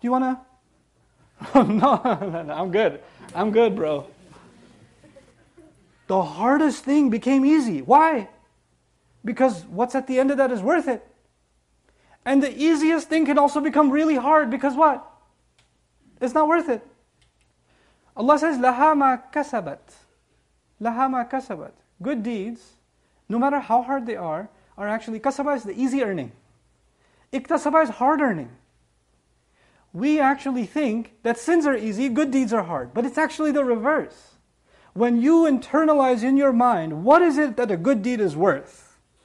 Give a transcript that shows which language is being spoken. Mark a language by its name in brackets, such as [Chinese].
[English] Do you want to? No, I'm good. I'm good, bro. The hardest thing became easy. Why? Because what's at the end of that is worth it. And the easiest thing can also become really hard because what? It's not worth it. Allah says, [Arabic] لَهَا مَا كَسَبَتْ لَهَا مَا كَسَبَتْ. [English] Good deeds, no matter how hard they are actually, kasaba is the easy earning. Iktasaba is hard earning. We actually think that sins are easy, good deeds are hard. But it's actually the reverse. When you internalize in your mind, what is it that a good deed is worth?